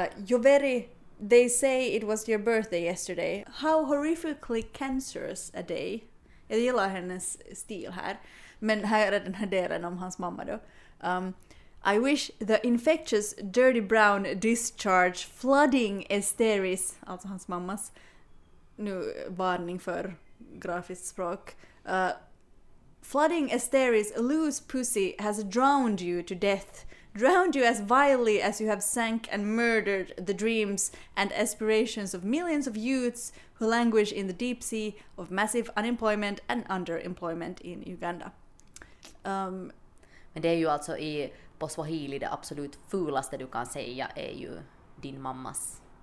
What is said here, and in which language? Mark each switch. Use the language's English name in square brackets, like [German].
[English] Yoweri, they say it was your birthday yesterday. How horrifically cancerous a day. [Swedish] Jag gillar hennes stil här. Men här är den här delen om hans mamma då. [English] I wish the infectious dirty brown discharge flooding esteris, [Swedish] alltså hans mammas, nu varning för grafiskt språk, [English] flooding esteris loose pussy has drowned you to death. Drowned you as vilely as you have sank and murdered the dreams and aspirations of millions of youths who languish in the deep sea of massive unemployment and underemployment in Uganda. [Swedish] Men det är ju alltså i, på swahili, det absolut fulaste du kan säga är ju din mammas